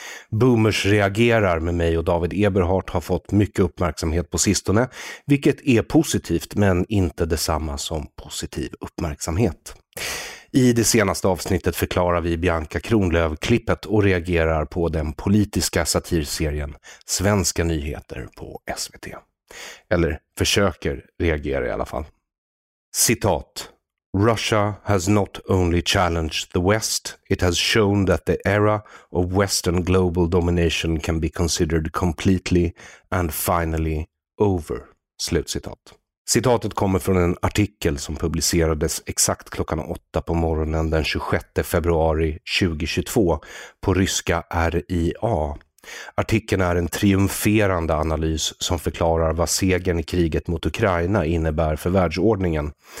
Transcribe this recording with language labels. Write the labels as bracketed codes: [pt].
[sv] Boomers reagerar med mig och David Eberhardt har fått mycket uppmärksamhet på sistone, vilket är positivt men inte detsamma som positiv uppmärksamhet. I det senaste avsnittet förklarar vi Bianca Kronlöf-klippet och reagerar på den politiska satirserien Svenska nyheter på SVT. Eller försöker reagera i alla fall. [en] Citat: Russia has not only challenged the West, it has shown that the era of Western global domination can be considered completely and finally over. [sv] Slutcitat. Citatet kommer från en artikel som publicerades exakt klockan 8 på morgonen den 26 februari 2022 på ryska RIA. Artikeln är en triumferande analys som förklarar vad segern i kriget mot Ukraina innebär för världsordningen.